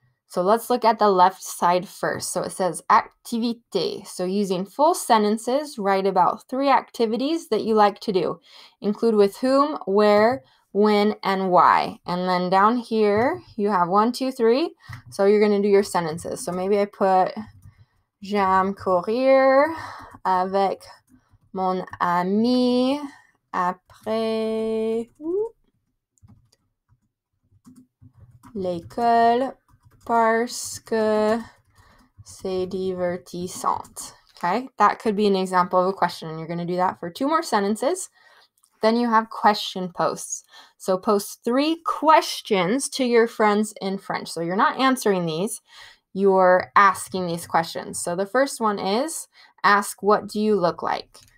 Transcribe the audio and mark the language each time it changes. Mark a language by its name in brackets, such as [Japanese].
[English] So let's look at the left side first. So it says activité. So using full sentences, write about three activities that you like to do. Include with whom, where, when, and why. And then down here you have 1, 2, 3, so you're going to do your sentences. So maybe I put, [French] j'aime courir avec mon ami après l'école parce que c'est divertissant. [English] Okay, that could be an example of a question. You're going to do that for two more sentences. Then you have question posts. So post three questions to your friends in French. So you're not answering these, you're asking these questions. So the first one is, ask what do you look like?